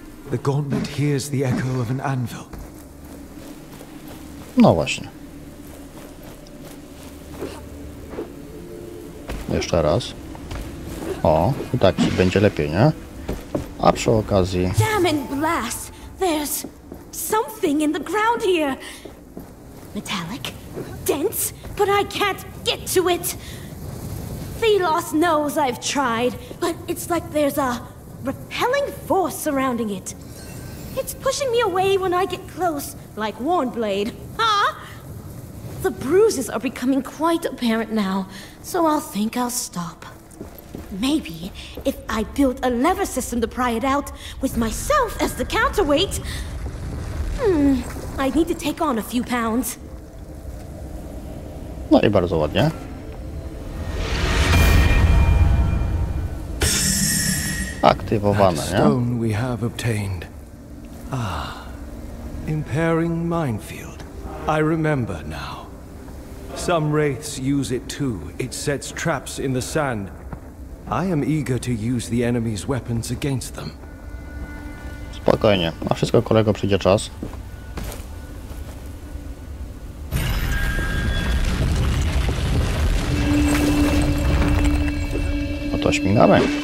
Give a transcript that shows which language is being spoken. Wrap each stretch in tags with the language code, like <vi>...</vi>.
<en>The gauntlet hears the echo of an anvil.</en> <pl>No właśnie. Jeszcze raz. O, i tak ci będzie lepiej, nie? A przy okazji.</pl> <en>Damn and blast! There's something in the ground here. Metallic, dense, but I can't get to it. Velos knows I've tried, but it's like there's a repelling force surrounding it. It's pushing me away when I get close, like Warnblade, huh? The bruises are becoming quite apparent now, so I'll think I'll stop. Maybe if I built a lever system to pry it out, with myself as the counterweight... I need to take on a few pounds.</en> <pl>No i bardzo ładnie. Aktywowane, nie?</pl> <en>That stone we have obtained. Ah, impairing minefield. I remember now. Some wraiths use it too. It sets traps in the sand. I am eager to use the enemy's weapons against them.</en> <pl>Spokojnie, na wszystko kolego przyjdzie czas. No to śmigamy.</pl>